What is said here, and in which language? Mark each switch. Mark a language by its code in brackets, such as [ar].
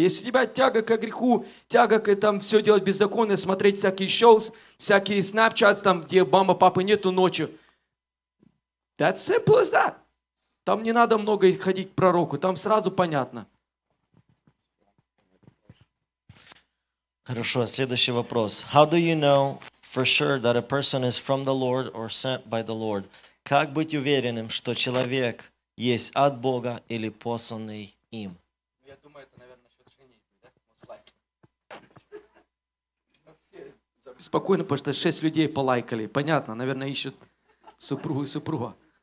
[ru] Если у тебя тяга к греху, тяга к там все делать беззаконно, смотреть всякие шоу, всякие снапчатс, там, где мама, папы нету ночью. [en] That's simple as that. [ru] Там не надо много ходить к пророку, там сразу понятно. Хорошо, следующий вопрос. [en] How do you know for sure that a person is from the Lord or sent by the Lord? [ru] Как быть уверенным, что человек есть от Бога или посланный им? Спокойно, потому что 6 людей полайкали. Понятно, наверное, ищут супругу и супруга.